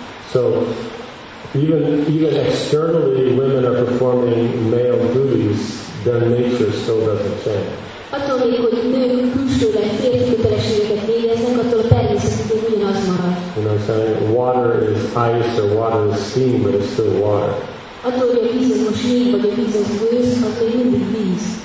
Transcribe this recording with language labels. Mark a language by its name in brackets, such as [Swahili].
[English] So even externally women are performing male duties, their nature still doesn't change. [Hungarian] Attól még, hogy nők külsőleg férfi kötelességeket végeznek, attól a természetükön ugyanaz marad. [English] You know what I'm saying? Water is ice or water is steam, but it's still water. [Hungarian] Attól, hogy a víz az most még, vagy a víz az gőz, attól mindig víz.